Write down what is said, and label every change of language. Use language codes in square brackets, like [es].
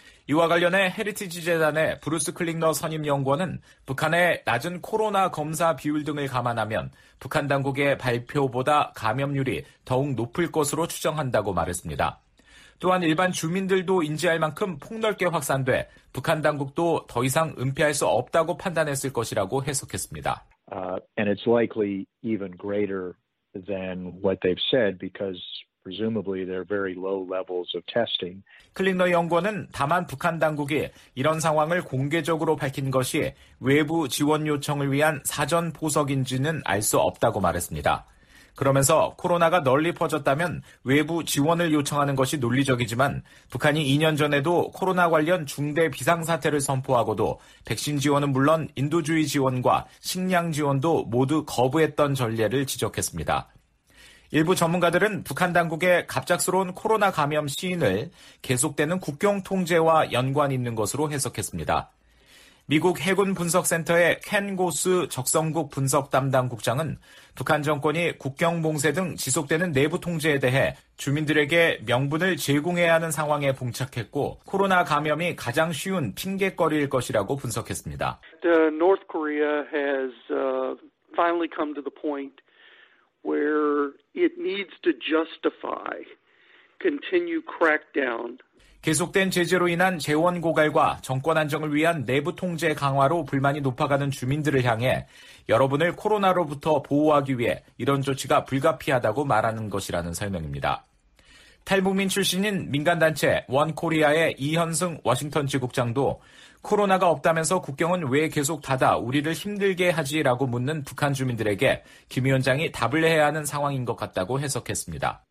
[ko] 이와 관련해 헤리티지 재단의 브루스 클링너 선임 연구원은 북한의 낮은 코로나 검사 비율 등을 감안하면 북한 당국의 발표보다 감염률이 더욱 높을 것으로 추정한다고 말했습니다. 또한 일반 주민들도 인지할 만큼 폭넓게 확산돼 북한 당국도 더 이상 은폐할 수 없다고 판단했을 것이라고 해석했습니다. [en] And it's likely even greater than what they've said because presumably they're very low levels of testing. [ko] 클링너 연구원은 다만 북한 당국이 이런 상황을 공개적으로 밝힌 것이 외부 지원 요청을 위한 사전 포석인지는 알 수 없다고 말했습니다. 그러면서 코로나가 널리 퍼졌다면 외부 지원을 요청하는 것이 논리적이지만 북한이 2년 전에도 코로나 관련 중대 비상사태를 선포하고도 백신 지원은 물론 인도주의 지원과 식량 지원도 모두 거부했던 전례를 지적했습니다. 일부 전문가들은 북한 당국의 갑작스러운 코로나 감염 시인을 계속되는 국경 통제와 연관 있는 것으로 해석했습니다. 미국 해군 분석센터의 켄 고스 적성국 분석 담당 국장은 북한 정권이 국경 봉쇄 등 지속되는 내부 통제에 대해 주민들에게 명분을 제공해야 하는 상황에 봉착했고 코로나 감염이 가장 쉬운 핑계거리일 것이라고 분석했습니다. [en] The North Korea has finally come to the point where it needs to justify continue crackdown. [ko] 계속된 제재로 인한 재원 고갈과 정권 안정을 위한 내부 통제 강화로 불만이 높아가는 주민들을 향해 여러분을 코로나로부터 보호하기 위해 이런 조치가 불가피하다고 말하는 것이라는 설명입니다. 탈북민 출신인 민간단체 원코리아의 이현승 워싱턴 지국장도 코로나가 없다면서 국경은 왜 계속 닫아 우리를 힘들게 하지라고 묻는 북한 주민들에게 김 위원장이 답을 해야 하는 상황인 것 같다고 해석했습니다.